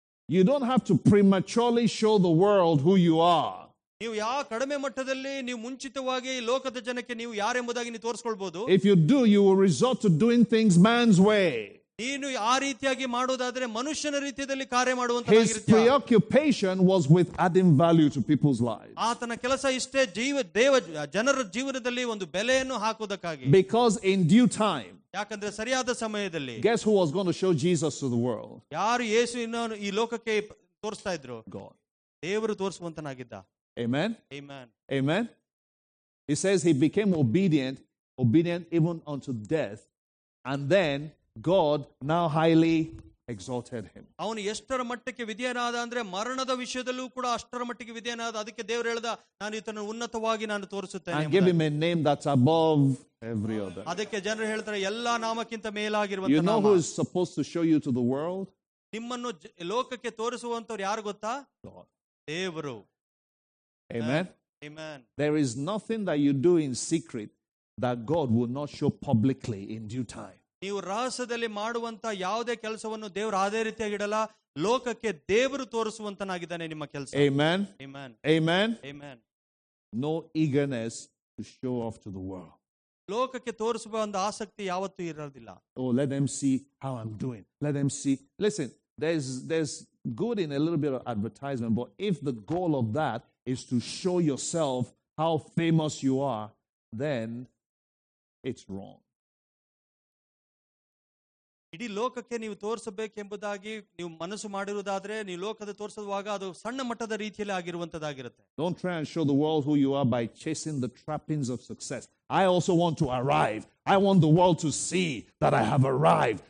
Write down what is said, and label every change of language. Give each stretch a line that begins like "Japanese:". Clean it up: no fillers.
English: You don't have to prematurely show the world who you are.
Kannada: ನೀವು ಯಾವ ಕಡಿಮೆ ಮಟ್ಟದಲ್ಲಿ ನೀವು ಮುಂಚಿತವಾಗಿ ಲೋಕದ ಜನಕ್ಕೆ ನೀವು ಯಾರೆಂಬುದಾಗಿ ನೀವು ತೋರಿಸಿಕೊಳ್ಬಹುದು.
English: If you do, you will resort to doing things man's way.
Kannada: ನೀನು ಆ ರೀತಿಯಾಗಿ ಮಾಡುವುದಾದ್ರೆ ಮನುಷ್ಯನ ರೀತಿಯಲ್ಲಿ ಕಾರ್ಯ ಮಾಡುವಂತಹ
English: His preoccupation was with adding value to people's lives.
Kannada: ಆತನ ಕೆಲಸ ಇಷ್ಟೇ ಜನರ ಜೀವನದಲ್ಲಿ ಒಂದು ಬೆಲೆಯನ್ನು ಹಾಕುವುದಕ್ಕಾಗಿ.
English: Because in due time,
Kannada: ಯಾಕಂದ್ರೆ ಸರಿಯಾದ ಸಮಯದಲ್ಲಿ,
English: guess who was going to show Jesus to the world?
Kannada: ಯಾರು ಯೇಸುವನ್ನು ಈ ಲೋಕಕ್ಕೆ ತೋರಿಸ್ತಾ ಇದ್ರು?
English: God.
Kannada: ದೇವರು ತೋರಿಸುವಂತನಾಗಿದ್ದ.
English: Amen. Amen. Amen. He says he became obedient even unto death. And then God now highly exalted him.
Kannada: ಅವನು ಎಷ್ಟರ ಮಟ್ಟಕ್ಕೆ ವಿಧೇಯನಾದ ಅಂದ್ರೆ ಮರಣದ ವಿಷಯದಲ್ಲೂ ಕೂಡ ಅಷ್ಟರ ಮಟ್ಟಿಗೆ ವಿಧೇಯನಾದ. ಅದಕ್ಕೆ ದೇವರು ಹೇಳಿದ, ನಾನು ಇತನ ಉನ್ನತವಾಗಿ ನಾನು ತೋರಿಸುತ್ತೇನೆ.
English: And give him a name that's above every other.
Kannada: ಅದಕ್ಕೆ ಜನರು ಹೇಳ್ತಾರೆ, ಎಲ್ಲಾ ನಾಮಕ್ಕಿಂತ ಮೇಲಾಗಿರುವಂತ ನಾಮ.
English: You know who is supposed to show you to the world?
Kannada: ನಿಮ್ಮನ್ನು ಲೋಕಕ್ಕೆ ತೋರಿಸುವಂತವರು ಯಾರು ಗೊತ್ತಾ? ದೇವರು.
English: Amen. Amen. There is nothing that you do in secret that God will not show publicly in due time.
Kannada: ನೀವು ರಹಸ್ಯದಲ್ಲಿ ಮಾಡುವಂತ ಯಾವುದೇ ಕೆಲಸವನ್ನು ದೇವರು ಅದೇ ರೀತಿಯಾಗಿ ಇಡಲ್ಲ. ಲೋಕಕ್ಕೆ ದೇವರು ತೋರಿಸುವಂತನಾಗಿದ್ದಾನೆ ನಿಮ್ಮ ಕೆಲಸ.
English: Amen. Amen. Amen. Amen. No eagerness to show off to the world.
Kannada: ಲೋಕಕ್ಕೆ ತೋರಿಸುವ ಒಂದು ಆಸಕ್ತಿ ಯಾವತ್ತೂ ಇರೋದಿಲ್ಲ.
English: Oh, let them see how I'm doing. Let them see. Listen, there's good in a little bit of advertisement, but if the goal of that is to show yourself how famous you are, then it's wrong.
Kannada: ಇಡೀ ಲೋಕಕ್ಕೆ ನೀವು ತೋರಿಸಬೇಕೆಂಬುದಾಗಿ ನೀವು ಮನಸ್ಸು ಮಾಡಿರುವುದಾದ್ರೆ, ನೀವು ಲೋಕದ ತೋರಿಸುವಾಗ ಅದು ಸಣ್ಣ ಮಟ್ಟದ ರೀತಿಯಲ್ಲಿ ಆಗಿರುವಂತದಾಗಿರುತ್ತೆ.
English: Don't try and show the world who you are by chasing the trappings of success. I also want to arrive. I want the world to see that I have arrived.